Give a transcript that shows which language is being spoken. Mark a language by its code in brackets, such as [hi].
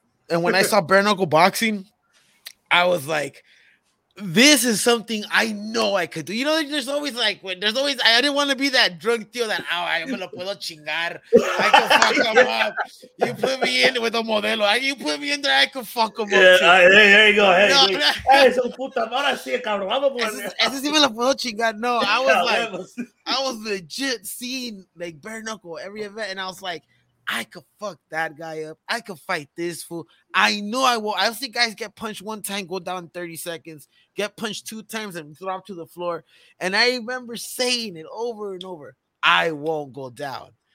[en] And when I saw bare knuckle boxing, I was like, this is something I know I could do. You know, there's always like, when there's always, I didn't want to be that drunk deal that, oh, I [es] me lo puedo chingar. [en] I can fuck him up. You put me in with a modelo. You put me in there, I could fuck him up. Yeah, there you go. Hey, no, hey, [es] so puta, ahora sí, cabrón. Vamos a poner. [en] No, I was like, I was legit seeing like bare knuckle every event. And I was like, I could fuck that guy up. I could fight this fool. I know I will. I've seen guys get punched one time, go down 30 seconds, get punched two times and drop to the floor. And I remember saying it over and over. I won't go down.